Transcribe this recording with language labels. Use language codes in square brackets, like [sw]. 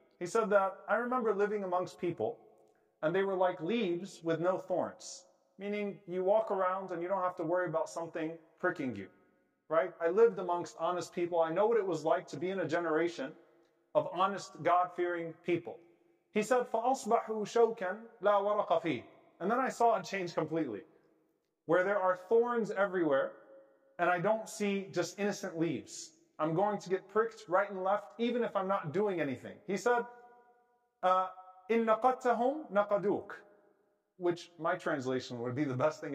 [en] He said that, I remember living amongst people, and they were like leaves with no thorns. Meaning, you walk around and you don't have to worry about something pricking you, right? I lived amongst honest people. I know what it was like to be in a generation of honest, God-fearing people. He said, [ar] فَأَصْبَحُوا شَوْكًا لَا وَرَقَ فِيهِ. [en] And then I saw it change completely, where there are thorns everywhere, and I don't see just innocent leaves. I'm going to get pricked right and left, even if I'm not doing anything. He said, [ar] إِن نَقَدْتَهُمْ نَقَدُوكَ, [en] which my translation would be the best thing.